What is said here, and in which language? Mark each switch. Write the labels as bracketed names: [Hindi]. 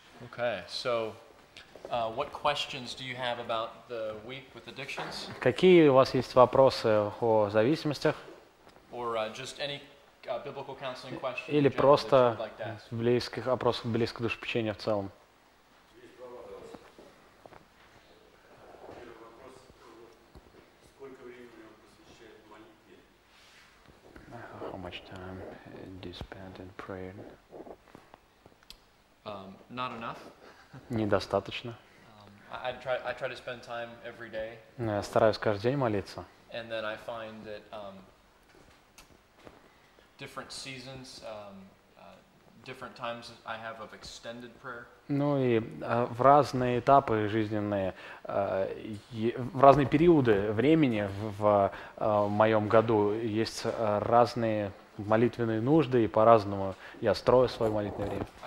[English] Okay, so what questions do you have about the week with addictions? [Russian] Какие у вас есть вопросы о зависимостях? [English] Or just any biblical counseling questions? [Russian] Или просто библейских вопросов, библейского душепечения в целом? [English] How much time do you spend in prayer? Not enough. [Russian] Недостаточно. [English] I try to spend time every day. [Russian] Но я стараюсь каждый день молиться. [English] And then I find that different seasons, different times I have of extended prayer. [Russian] Ну и в разные этапы жизненные, в разные периоды времени в моем году есть разные молитвенные нужды, и по-разному я строю свое молитвенное время.